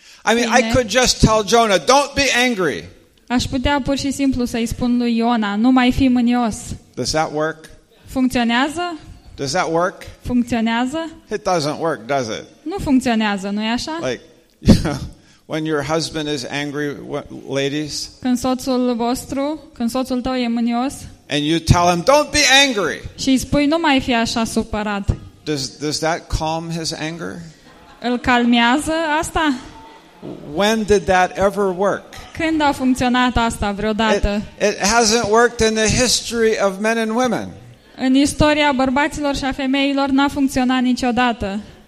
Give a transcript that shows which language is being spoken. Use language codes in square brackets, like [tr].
[en] I mean, I could just tell Jonah, don't be angry. [ro] Aș putea pur și simplu să-i spun lui Iona, nu mai fi mânios. [en] Does that work? [ro] Funcționează? [en] Does that work? [ro] Funcționează? [en] It doesn't work, does it? [ro] Nu funcționează, nu-i așa? [en] Like, when your husband is angry, ladies. [ro] Când soțul vostru, când soțul tău e mânios. [en] And you tell him, don't be angry. [ro] Și îi spui, nu mai fi așa supărat. [en] Does that calm his anger? [ro] Îl calmează asta? [en] When did that ever work? [ro] Când a funcționat asta vreodată? [en] It hasn't worked in the history of men and women. [ro] În istoria bărbaților și a femeilor n-a funcționat niciodată.